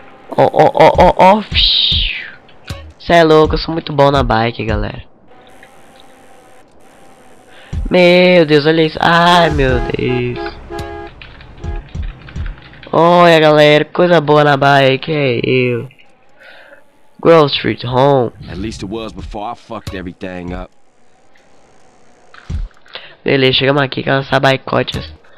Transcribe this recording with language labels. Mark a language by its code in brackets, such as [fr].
[pt] Ó. Cê é louco, eu sou muito bom na bike, galera. Meu Deus, olha isso. Ai, meu Deus. Olha, galera, coisa boa na bike, é eu. [en] Grove Street Home. At least it was before I fucked everything up. [pt] Beleza, chegamos aqui com as baicotas.